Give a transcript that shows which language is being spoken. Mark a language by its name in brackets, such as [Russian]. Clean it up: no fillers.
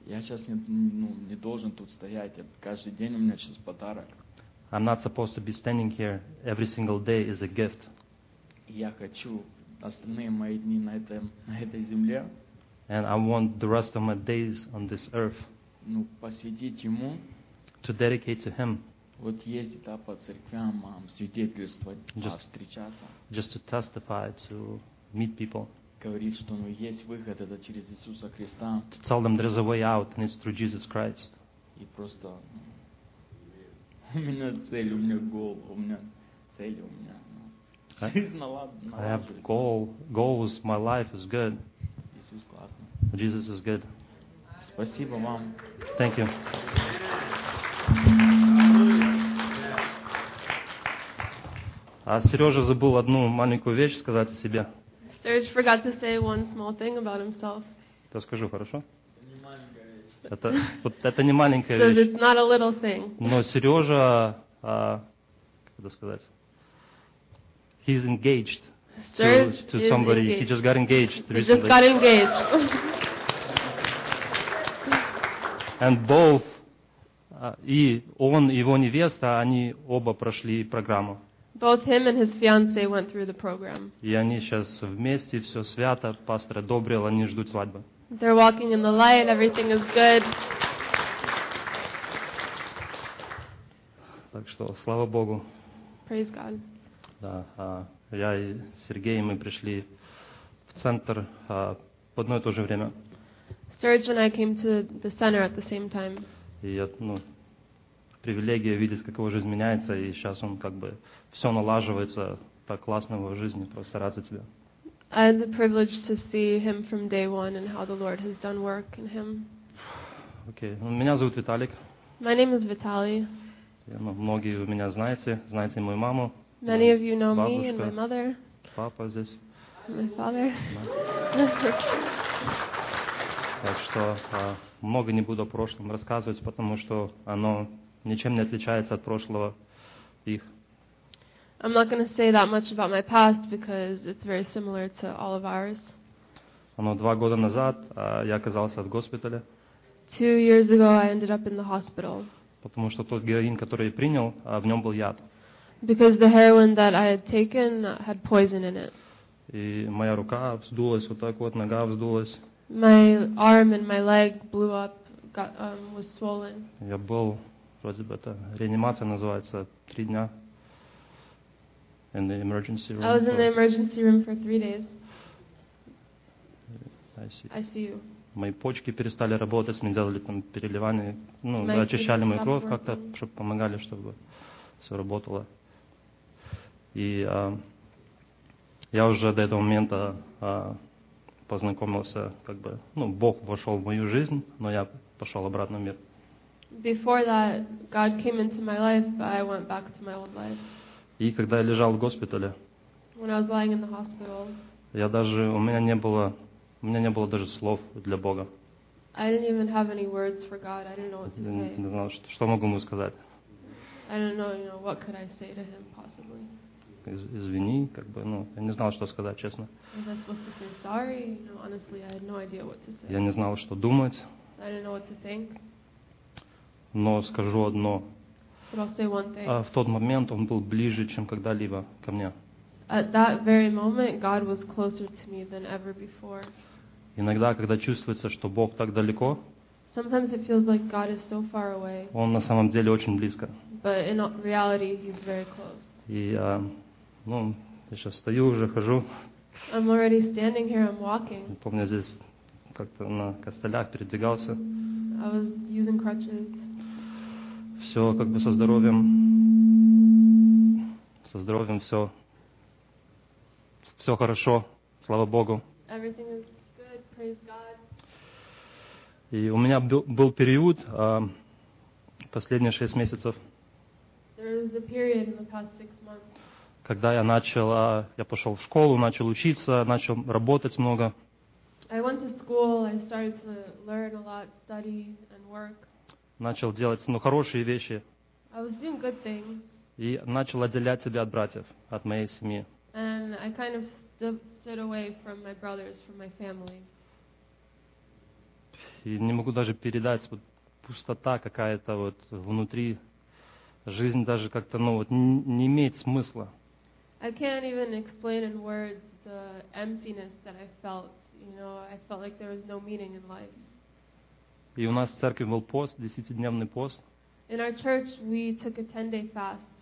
[Russian] Я сейчас не, ну, не должен тут стоять, каждый день у меня сейчас подарок. [English] I'm not supposed to be standing here. Every single day is a gift. [Russian] Я хочу остальные мои дни на этой земле. [English] And I want the rest of my days on this earth. [Russian] Ну, посвятить ему. [English] To dedicate to Him. [Russian] Вот ездить, да, по церквям, свидетельствовать, [English] just, [Russian] встречаться. [English] Just to testify, to meet people. [Russian] Говорить, что, ну, есть выход, это через Иисуса Христа. [English] To tell them there's a way out, and it's through Jesus Christ. [Russian] И просто, у меня цель, у меня [English] goal, [Russian] у меня цель, у меня, ну, жизнь налаживается. [English] I have goals, my life is good. [Russian] Иисус классно. [English] Jesus is good. [Russian] Спасибо вам. [English] Thank you. [Russian] А Сережа забыл одну маленькую вещь сказать о себе. [English] Serge forgot to say one small thing about himself. [Russian] Да скажу, хорошо? Это не маленькая вещь. Это не маленькая [English] so [Russian] вещь. [English] It's not a little thing. [Russian] Но Сережа, как это сказать? [English] He's engaged to somebody. Engaged. He just got engaged recently. He just got engaged. And both, [Russian] и он, и его невеста, они оба прошли программу. [English] Both him and his fiance went through the program. [Russian] И они сейчас вместе, все свято, пастор одобрил, они ждут свадьбы. [English] They're walking in the light, everything is good. [Russian] Так что, слава Богу. [English] Praise God. [Russian] Да, я и Сергей, мы пришли в центр в одно и то же время. [English] Serge and I came to the center at the same time. [Russian] И я, ну, привилегия видеть, как его жизнь меняется, и сейчас он как бы все налаживается так классно в его жизни, просто рад за тебя. [English] I had the privilege to see him from day one and how the Lord has done work in him. Okay. [Russian] Меня зовут Виталик. [English] My name is Vitaly. [Russian] Ну, многие вы меня знаете, знаете мою маму. [English] Many of you know me and my mother. [Russian] Папа здесь. [English] My father. [Russian] Так что много не буду о прошлом рассказывать, потому что оно ничем не отличается от прошлого их. [English] I'm not going to say that much about my past because it's very similar to all of ours. [Russian] Оно 2 года назад я оказался в госпитале. [English] 2 years ago I ended up in the hospital. [Russian] Потому что тот героин, который я принял, в нем был яд. [English] Because the heroin that I had taken had poison in it. [Russian] И моя рука вздулась вот так вот, нога вздулась. [English] My arm and my leg blew up, was swollen. [Russian] Я был, вроде бы это реанимация называется, 3 дня. [English] In the emergency room. I was in the emergency room for 3 days. I see you. [Russian] Мои почки перестали работать, мне делали там переливание, ну, [English] my [Russian] очищали мою кровь как-то, чтобы помогали, чтобы все работало. И я уже до этого момента познакомился, как бы, ну, Бог вошел в мою жизнь, но я пошел обратно в мир. [English] Before that, God came into my life, but I went back to my old life. [Russian] И когда я лежал в госпитале, у меня не было даже слов для Бога. [English] I didn't even have any words for God. I didn't know what to say. [Russian] Не знал, что могу ему сказать. [English] I don't know, you know, what could I say to him possibly. [Russian] Извини, как бы, ну, я не знал, что сказать, честно. [English] Was I supposed to say sorry? No, honestly, I had no idea what to say. [Russian] Я не знал, что думать. [English] I didn't know what to think. [Russian] Но скажу одно. [English] But I'll say one thing. [Russian] В тот момент он был ближе, чем когда-либо ко мне. [English] At that very moment, God was closer to me than ever before. [Russian] Иногда, когда чувствуется, что Бог так далеко, [English] sometimes it feels like God is so far away. [Russian] Он на самом деле очень близко. [English] But in reality, he's very close. [Russian] И, ну, я сейчас стою уже, хожу. [English] I'm already standing here, I'm walking. [Russian] Помню, здесь как-то на костылях передвигался. [English] I was using crutches. [Russian] Все как бы со здоровьем. Со здоровьем все. Все хорошо. Слава Богу. [English] Everything is good. Praise God. [Russian] И у меня был период последние 6 месяцев. [English] There was a period in the past 6 months. [Russian] Когда я начал, я пошел в школу, начал учиться, начал работать много. [English] I went to school, I started to learn a lot, study and work. [Russian] Начал делать, ну, хорошие вещи. [English] I was doing good things. [Russian] И начал отделять себя от братьев, от моей семьи. [English] And I kind of stood away from my brothers, from my family. [Russian] И не могу даже передать, вот, пустота какая-то вот внутри. Жизнь даже как-то, ну, вот, не имеет смысла. [English] I can't even explain in words the emptiness that I felt. You know, I felt like there was no meaning in life. [Russian] И у нас в церкви был пост, 10-дневный пост. [English] In our church we took a 10-day fast.